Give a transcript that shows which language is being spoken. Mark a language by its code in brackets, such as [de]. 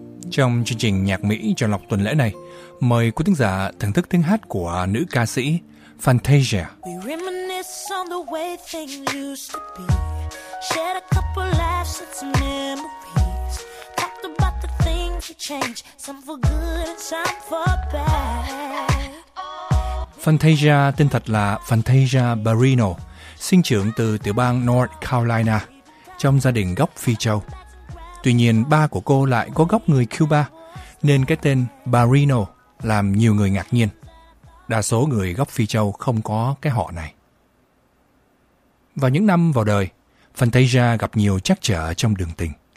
[vi] Trong chương trình Nhạc Mỹ Chọn Lọc tuần lễ này, mời quý thính giả thưởng thức tiếng hát của nữ ca sĩ Fantasia. [en] We reminisce on the way things used to be. Shared a couple laughs and some memories. Talked about the things we changed, some for good and some for bad. [vi] Fantasia tên thật là Fantasia Barrino, sinh trưởng từ tiểu bang North Carolina, trong gia đình gốc Phi Châu. Tuy nhiên, ba của cô lại có gốc người Cuba, nên cái tên Barrino làm nhiều người ngạc nhiên. Đa số người gốc Phi Châu không có cái họ này. Vào những năm vào đời, Fantasia gặp nhiều trắc trở trong đường tình.